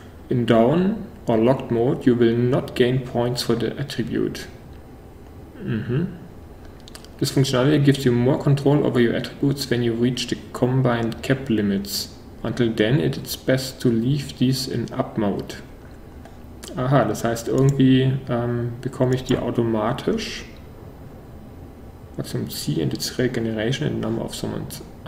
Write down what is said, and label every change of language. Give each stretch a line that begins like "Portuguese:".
English: In down or locked mode, you will not gain points for the attribute. Mhm. This functionality gives you more control over your attributes when you reach the combined cap limits. Until then, it's best to leave these in up mode.
German: Aha, das heißt, irgendwie bekomme ich die automatisch.
English: What's in C and its regeneration in number of summons?